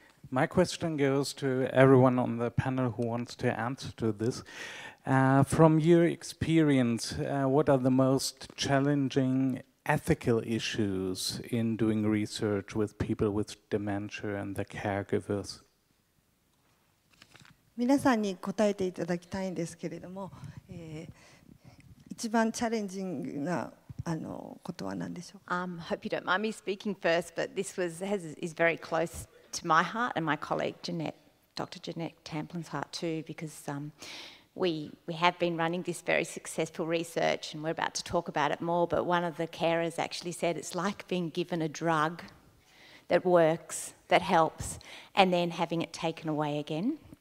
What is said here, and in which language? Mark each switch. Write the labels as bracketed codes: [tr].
[en] My question goes to everyone on the panel who wants to answer to this. From your experience, what are the most challenging ethical issues in doing research with people with dementia and their caregivers? [ja] 皆さんに答えていただきたいんですけれども、一番チャレンジングなことは何でしょうか? [en] Hope you don't mind me speaking first, but this is very close. To my heart and my colleague Jeanette, Dr. Jeanette Tamplin's heart too, because we have been running this very successful research and we're about to talk about it more, but one of the carers actually said it's like being given a drug that works, that helps, and then having it taken away again.